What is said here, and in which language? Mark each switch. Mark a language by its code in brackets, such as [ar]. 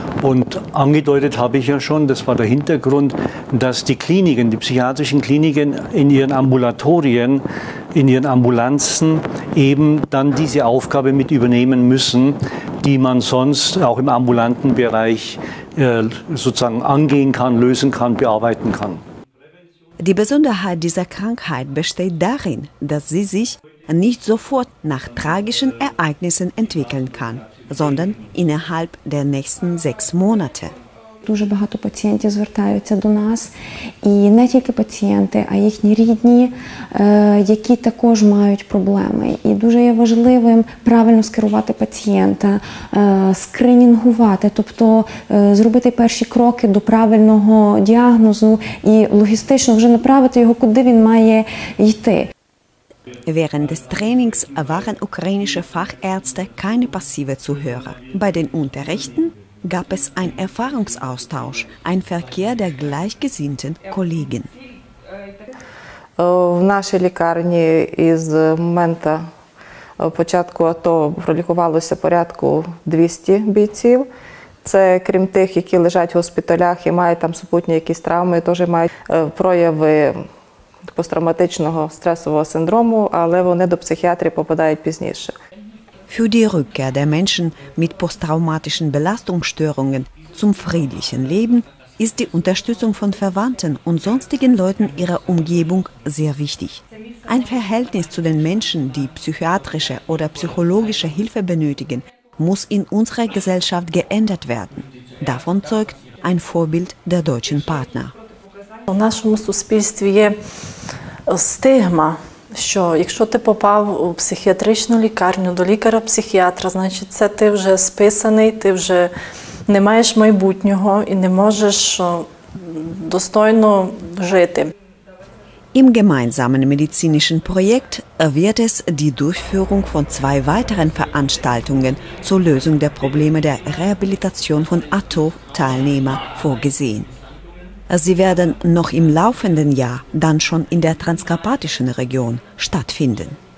[de] Und angedeutet habe ich ja schon, das war der Hintergrund, dass die Kliniken, die psychiatrischen Kliniken in ihren Ambulatorien, in ihren Ambulanzen eben dann diese Aufgabe mit übernehmen müssen, die man sonst auch im ambulanten Bereich sozusagen angehen kann, lösen kann, bearbeiten kann. Die Besonderheit dieser Krankheit besteht darin, dass sie sich nicht sofort nach tragischen Ereignissen entwickeln kann, sondern innerhalb der nächsten 6 Monate. [uk] Дуже багато пацієнтів звертаються до нас, і не тільки пацієнти, а їхні рідні, які також мають проблеми. І дуже є важливим правильно скерувати пацієнта, скринінгувати, тобто зробити перші кроки до правильного діагнозу і логістично вже направити його, куди він має йти. [de] Während des Trainings waren ukrainische Fachärzte keine passive Zuhörer. Bei den Unterrichten gab es einen Erfahrungsaustausch, einen Verkehr der gleichgesinnten Kollegen. [uk] В нашій лікарні із моменту початку АТО пролікувалося порядку 200 бійців. Це крім тих, які лежать в госпіталях і мають там супутні якісь травми, теж мають прояви посттравматичного стресового синдрому, але вони до психіатрів попадають пізніше. [de] Für die Rückkehr der Menschen mit posttraumatischen Belastungsstörungen zum friedlichen Leben ist die Unterstützung von Verwandten und sonstigen Leuten ihrer Umgebung sehr wichtig. Ein Verhältnis zu den Menschen, die psychiatrische oder psychologische Hilfe benötigen, muss in unserer Gesellschaft geändert werden. Davon zeugt ein Vorbild der deutschen Partner. [uk] У нашому суспільстві є стигма, що якщо ти попав у психіатричну лікарню, до лікаря-психіатра, значить це ти вже списаний, ти вже не маєш майбутнього і не можеш достойно жити. [de] Im gemeinsamen medizinischen Projekt wird es die Durchführung von zwei weiteren Veranstaltungen zur Lösung der Probleme der Rehabilitation von ATO-Teilnehmer vorgesehen. Sie werden noch im laufenden Jahr dann schon in der transkarpatischen Region stattfinden.